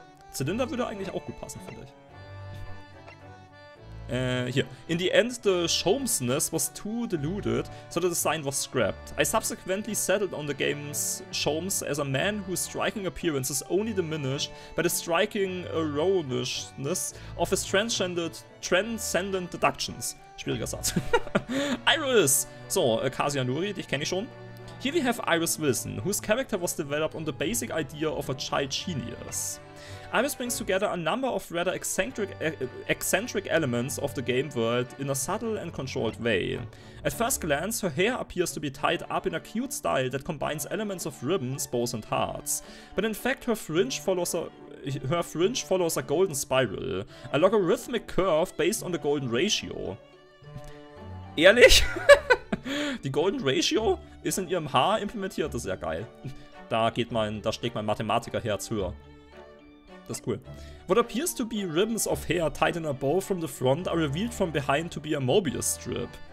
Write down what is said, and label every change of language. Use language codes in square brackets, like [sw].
[de] Zylinder würde eigentlich auch gut passen, finde ich. Hier. [en] In the end, the Sholmesness was too deluded, so the design was scrapped. I subsequently settled on the game's Sholmes as a man whose striking appearance is only diminished by the striking erroneousness of his transcendent deductions. [de] Schwieriger Satz. [en] Iris! [de] So, Kasia Nuri, dich kenne ich schon. [en] Here we have Iris Wilson, whose character was developed on the basic idea of a child genius. Iris brings together a number of rather eccentric elements of the game world in a subtle and controlled way. At first glance, her hair appears to be tied up in a cute style that combines elements of ribbons, bows and hearts. But in fact, her fringe follows a golden spiral, a logarithmic curve based on the golden ratio. [de] Ehrlich? Die Golden Ratio ist in ihrem Haar implementiert, das ist ja geil. Da schlägt mein Mathematikerherz höher. Das ist cool. [en] What appears to be ribbons of hair tied in a bow from the front are revealed from behind to be a Möbius strip.